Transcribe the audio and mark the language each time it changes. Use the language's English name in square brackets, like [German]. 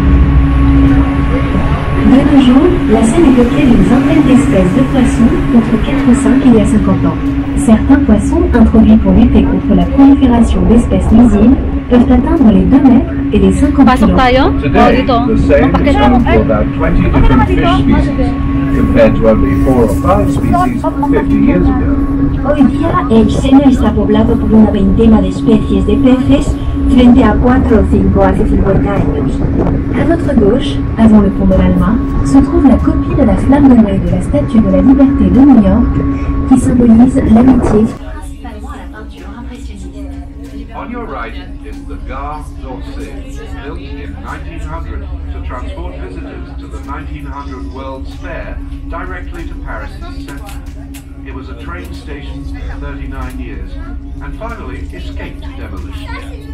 [French] De nos jours, la Seine est peuplée d'une vingtaine d'espèces de poissons contre 4 ou 5 il y a 50 ans. Certains poissons, introduits pour lutter contre la prolifération d'espèces nuisibles, peuvent atteindre les 2 mètres et les 50 kilos. [English] Today, the Seine is home to about 20 different fish species, compared to only 4 or 5 species 50 years ago. [Spanish] Hoy día, el Sena está poblado por una veintena de especies de peces frente a 4 o 5 hace 50 años. [French] A notre gauche, avant le pont de l'Alma, se trouve la copie de la flamme dorée de la Statue de la Liberté de New York, qui symbolise l'amitié. [English] On your right is the Gare d'Orsay, built in 1900 to transport visitors to the 1900 World's Fair directly to Paris's center. It was a train station for 39 years, and finally escaped demolition.